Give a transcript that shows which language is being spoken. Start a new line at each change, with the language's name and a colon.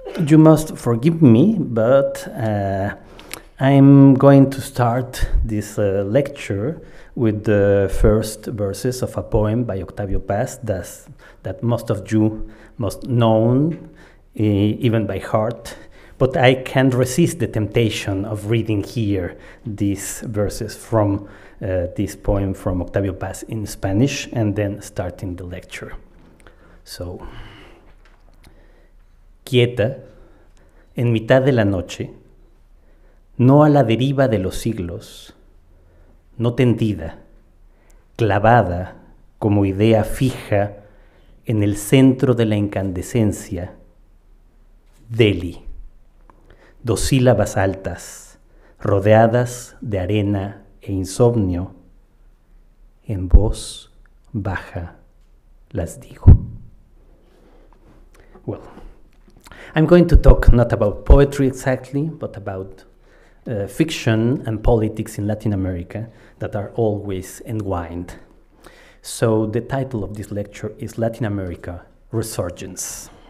English: You must forgive me, but I'm going to start this lecture with the first verses of a poem by Octavio Paz that most of you must know, even by heart, but I can't resist the temptation of reading here these verses from this poem from Octavio Paz in Spanish and then starting the lecture.
Spanish: So, quieta, en mitad de la noche, no a la deriva de los siglos, no tendida, clavada como idea fija en el centro de la incandescencia, Delhi, dos sílabas altas, rodeadas de arena e insomnio, en voz baja las digo.
English: Well, I'm going to talk not about poetry exactly, but about fiction and politics in Latin America that are always entwined. So the title of this lecture is Latin America, Resurgence.